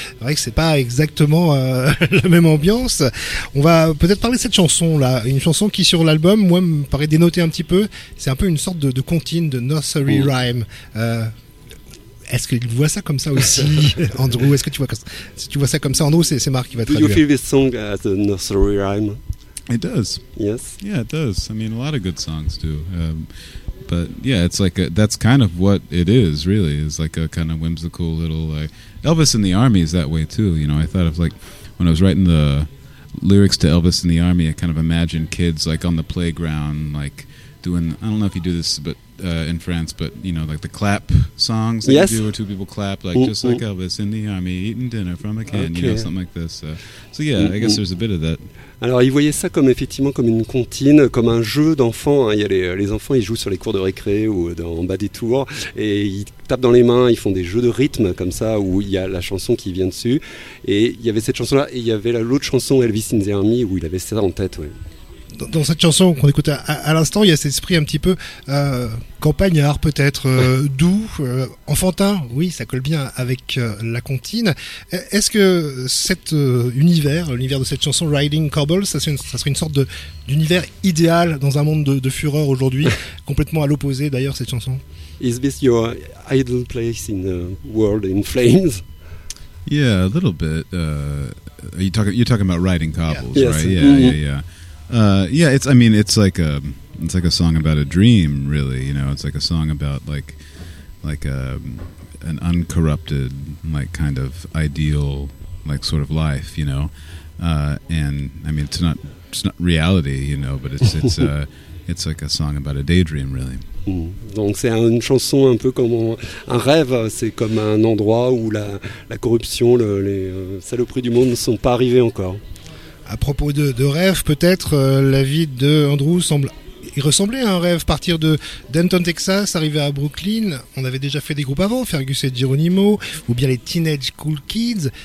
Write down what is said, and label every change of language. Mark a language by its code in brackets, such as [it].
[fr] C'est vrai que c'est pas exactement la même ambiance. On va peut-être parler de cette chanson-là, une chanson qui, sur l'album, moi, me paraît dénotée un petit peu. C'est un peu une sorte de comptine, de nursery rhyme. Est-ce qu'il voit ça comme ça aussi, Andrew? Est-ce que tu vois, si tu vois ça comme ça, Andrew, c'est Marc qui va traduire. [en] Do you feel this song as a nursery rhyme? It does. Yes? Yeah, it does. I mean, a lot of good songs do. But yeah, it's like that's kind of what it is, really. It's like a kind of whimsical little... Elvis in the Army is that way, too. You know, I thought of, like, when I was writing the... lyrics to Elvis in the Army, I kind of imagine kids like on the playground, like doing, I don't know if you do this, but in France, but you know, like the clap songs that yes. you do where two people clap, like mm-hmm. just like Elvis in the Army eating dinner from a can, you know, something like this. So yeah, mm-hmm. I guess there's a bit of that. [fr] Alors, ils voyaient ça comme effectivement comme une comptine, comme un jeu d'enfants. Hein. Il y a les enfants, ils jouent sur les cours de récré ou en bas des tours et ils tapent dans les mains, ils font des jeux de rythme comme ça où il y a la chanson qui vient dessus. Et il y avait cette chanson-là et il y avait l'autre chanson Elvis in the Army où il avait ça en tête. Ouais. Dans cette chanson qu'on écoute à l'instant, il y a cet esprit un petit peu campagnard peut-être, doux, enfantin. Oui, ça colle bien avec la comptine. Est-ce que cet univers, l'univers de cette chanson Riding Cowboys, ça serait une sorte d'univers idéal dans un monde de fureur aujourd'hui, complètement à l'opposé d'ailleurs cette chanson? [en] Is this your idle place in a world in flames? Yeah, a little bit. You're talking about Riding Cowboys, yeah. right? mm-hmm. yeah, yeah, yeah. Yeah, it's. I mean, it's like a song about a dream, really. You know, it's like a song about an uncorrupted, like kind of ideal, like sort of life. You know, and I mean, it's not reality. You know, but it's like a song about a daydream, really. [fr] Donc c'est une chanson un peu comme un rêve, c'est comme un endroit où la corruption, les saloperies du monde ne sont pas arrivées encore. À propos de rêves, peut-être la vie de Andrew semble y ressembler à un rêve. Partir de Denton, Texas, arriver à Brooklyn, on avait déjà fait des groupes avant, Fergus et Geronimo, ou bien les Teenage Cool Kids.